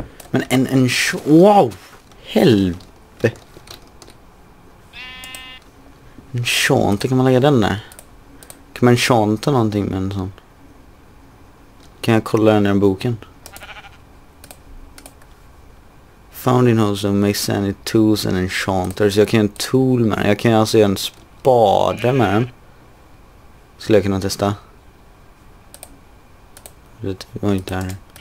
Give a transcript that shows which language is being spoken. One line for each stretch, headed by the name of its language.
Swedish: Men en wow! Helvete! En chante, kan man lägga den där? Kan man chanta någonting med en sån? Kan jag kolla den i den boken?
English: Found in house of Masonic tools and enchanters.
Swedish: Jag kan göra en tool med den. Jag kan alltså göra en spade med den. Skulle jag kunna testa. Det var inte här.